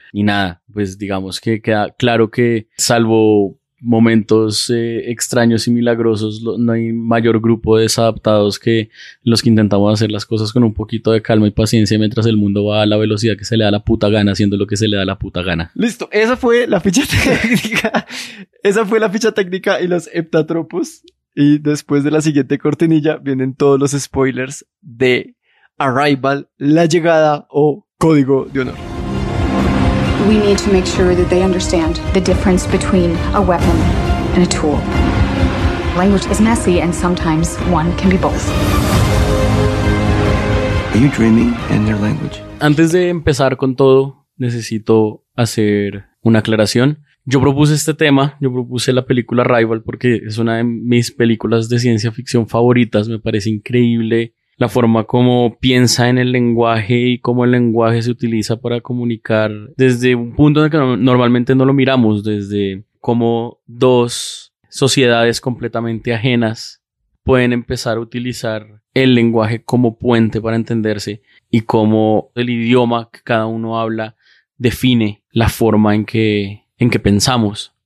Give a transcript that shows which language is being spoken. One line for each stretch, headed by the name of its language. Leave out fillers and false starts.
Spanish: Y nada, pues digamos que queda claro que salvo momentos extraños y milagrosos, no hay mayor grupo de desadaptados que los que intentamos hacer las cosas con un poquito de calma y paciencia mientras el mundo va a la velocidad que se le da la puta gana, haciendo lo que se le da la puta gana. Listo, esa fue la ficha técnica. Esa fue la ficha técnica y los heptatropos. Y después de la siguiente cortinilla vienen todos los spoilers de Arrival, La Llegada o Código de Honor.
English: We need to make sure that they understand the difference between a weapon and a tool. Language is messy, and sometimes one can be both. Are you dreaming in their language?
Spanish: Antes de empezar con todo, necesito hacer una aclaración. Yo propuse este tema, yo propuse la película Arrival porque es una de mis películas de ciencia ficción favoritas. Me parece increíble la forma como piensa en el lenguaje y cómo el lenguaje se utiliza para comunicar desde un punto en el que normalmente no lo miramos, desde cómo dos sociedades completamente ajenas pueden empezar a utilizar el lenguaje como puente para entenderse y cómo el idioma que cada uno habla define la forma en que pensamos.